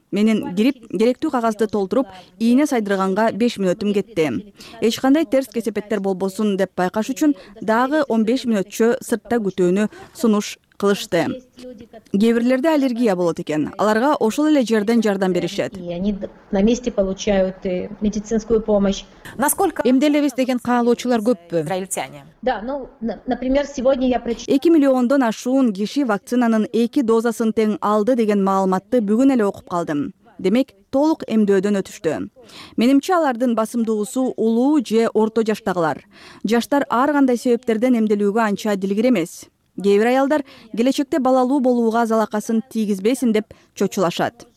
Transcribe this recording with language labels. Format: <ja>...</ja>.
<ky>Менин кирип, керектүү кагазды толтуруп, ийне сайдырганга 5 мүнөтүм кетти. Эч кандай терс кесепеттер болбосун деп байкаш үчүн дагы 15 мүнөтчө сыртта күтүүнү сунуш кылышты. Кээ бирлерде аллергия болот экен. Аларга ошол эле жерден жардам беришет.</ky> <ru>Они на месте получают медицинскую помощь. Насколько</ru> <ky>эмделебиз деген каалоочулар көппү?</ky> <ru>Да, ну, например, сегодня я прочитала.</ru> <ky>2 миллиондон ашуун киши вакцинанын 2 дозасын тең алды деген маалыматты бүгүн эле окуп калдым. Демек, толук эмдөөдөн өтүштү. Менимче алардын басымдуусу улуу же орто жаштагылар. Жаштар ар кандай себептерден эмделүүгө анча дилгир эмес. Кээ бир аялдар келечекте балалуу болууга залакасын тийгизбесин деп чочулашат.</ky>